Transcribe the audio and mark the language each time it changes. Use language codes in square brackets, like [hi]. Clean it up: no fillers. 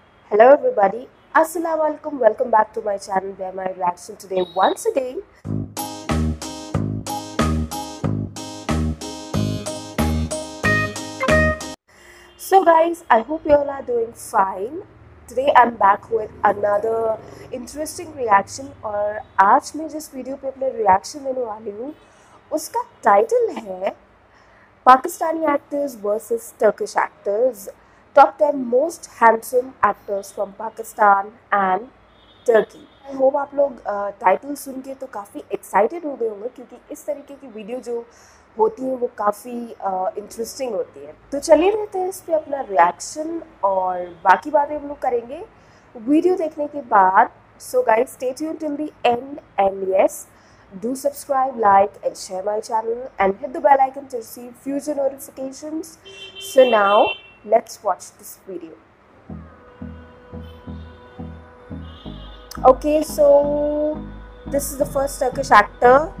[en] Hello everybody, Assalamualaikum, welcome back to my channel where my reaction today once again. So guys, I hope you all are doing fine. Today I'm back with another interesting reaction [hi] और आज मैं जिस video पे अपने reaction देने वाली हूँ उसका टाइटल है Pakistani actors versus Turkish actors [en] Top 10 most handsome actors from Pakistan and Turkey. I hope [hi] आप लोग टाइटल सुन के तो काफ़ी एक्साइटेड हो गए होंगे क्योंकि इस तरीके की वीडियो जो होती है वो काफ़ी इंटरेस्टिंग होती है. तो चलिए रहते हैं इस पर अपना रिएक्शन और बाकी बातें हम लोग करेंगे वीडियो देखने के बाद. [en] So guys stay tuned till the end and yes do subscribe like and share my channel and hit the bell icon to receive future notification. So now Let's watch this video. Okay, so this is the first Turkish actor.